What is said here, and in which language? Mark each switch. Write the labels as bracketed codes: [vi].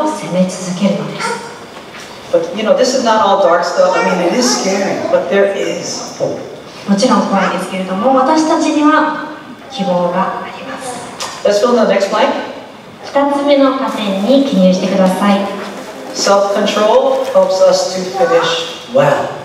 [ja] 罪の代償がすぐに現れなかったとしても、それは罪から逃れられたわけではないということを決して忘れないでください。それどころか、悪魔は内側からじわじわと攻め続けるのです。 [en] But you know, this is not all dark stuff. I mean, it is scary, but there is hope. [ja] もちろん怖いですけれども、私たちには希望があります。 [en] Let's go to the next slide. [ja] 2つ目の仮説に記入してください。 [en] Self-control helps us to finish well.